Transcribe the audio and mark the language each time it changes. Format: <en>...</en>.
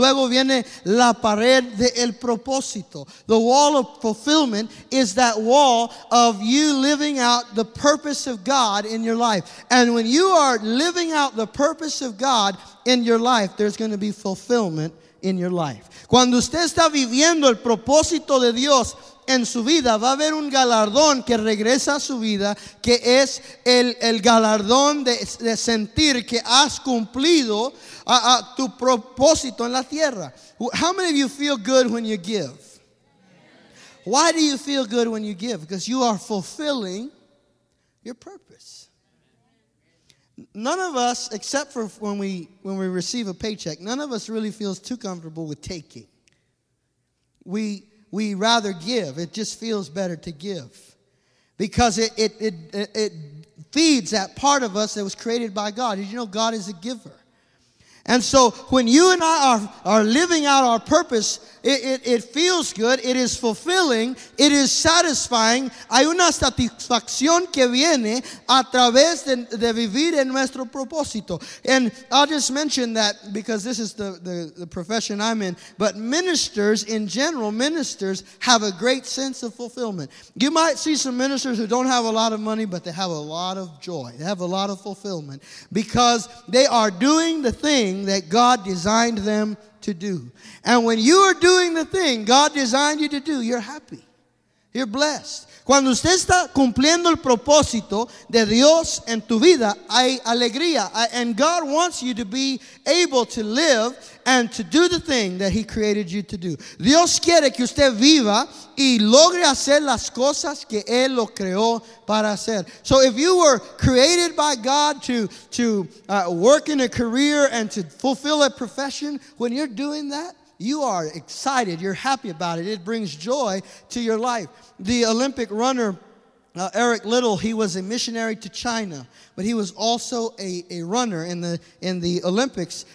<es>Luego viene la pared del propósito.</es> <en>The wall of fulfillment is that wall of you living out the purpose of God in your life. And when you are living out the purpose of God in your life, there's going to be fulfillment in your life.</en> <es>Cuando usted está viviendo el propósito de Dios en su vida, va a haber un galardón que regresa a su vida, que es el galardón de sentir que has cumplido a tu propósito en la tierra.</es> <en>How many of you feel good when you give? Why do you feel good when you give? Because you are fulfilling your purpose. None of us, except for when we receive a paycheck, none of us really feels too comfortable with taking. We rather give. It just feels better to give. Because it feeds that part of us that was created by God. Did you know God is a giver? And so when you and I are living out our purpose, it feels good, it is fulfilling, it is satisfying.</en> <es>Hay una satisfacción que viene a través de vivir en nuestro propósito.</es> <en>And I'll just mention that because this is the profession I'm in. But ministers, in general, ministers have a great sense of fulfillment. You might see some ministers who don't have a lot of money, but they have a lot of joy. They have a lot of fulfillment because they are doing the thing that God designed them to do. And when you are doing the thing God designed you to do, you're happy. You're blessed.</en> <es>Cuando usted está cumpliendo el propósito de Dios en tu vida, hay alegría.</es> <en>And God wants you to be able to live and to do the thing that he created you to do.</en> <es>Dios quiere que usted viva y logre hacer las cosas que él lo creó para hacer.</es> <en>So if you were created by God to work in a career and to fulfill a profession, when you're doing that, you are excited. You're happy about it. It brings joy to your life. The Olympic runner, Eric Little, he was a missionary to China, but he was also a runner in the Olympics.</en>